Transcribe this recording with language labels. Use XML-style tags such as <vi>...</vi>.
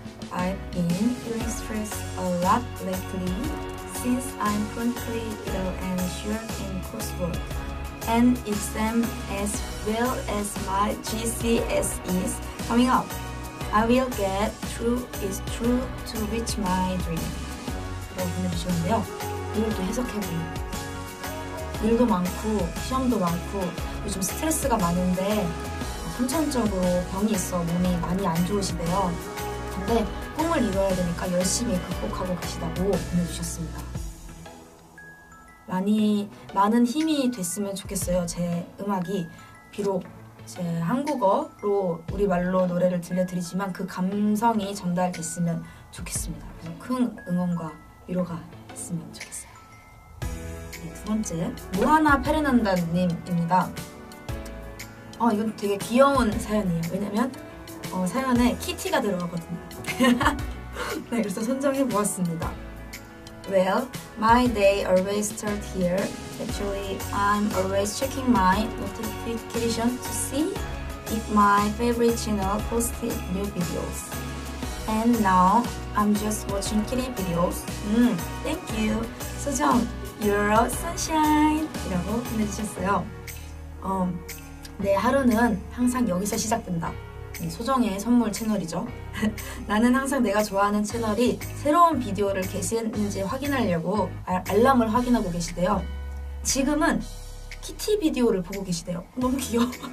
<en>I've been feeling stressed a lot lately since I'm currently ill and short in coursework. An exam as well as my GCSE is coming up. I will get through to reach my dream.</en> <ko>라고 보내주셨는데요. 이걸 또 해석해보면 일도 많고 시험도 많고 요즘 스트레스가 많은데 선천적으로 병이 있어 몸이 많이 안 좋으시대요. 근데 꿈을 이뤄야 되니까 열심히 극복하고 계시다고 보내주셨습니다. 많은 힘이 됐으면 좋겠어요. 제 음악이 비록 제 한국어로 우리말로 노래를 들려드리지만 그 감성이 전달됐으면 좋겠습니다. 큰 응원과 위로가 됐으면 좋겠어요. 네, 두 번째 모하나 페르난다님입니다. 이건 되게 귀여운 사연이에요. 왜냐면 사연에 키티가 들어가거든요. 네, 그래서 선정해 보았습니다.</ko> <en>Well, my day always starts here. Actually, I'm always checking my notification to see if my favorite channel posted new videos. And now, I'm just watching kitty videos. Thank you. 소정, you're a sunshine.</en> <ko>이라고 보내주셨어요. 내 하루는 항상 여기서 시작된다. 소정의 선물 채널이죠. 나는 항상 내가 좋아하는 채널이 새로운 비디오를 게시했는지 확인하려고 알람을 확인하고 계시대요. 지금은 키티 비디오를 보고 계시대요. 너무 귀여워.</ko>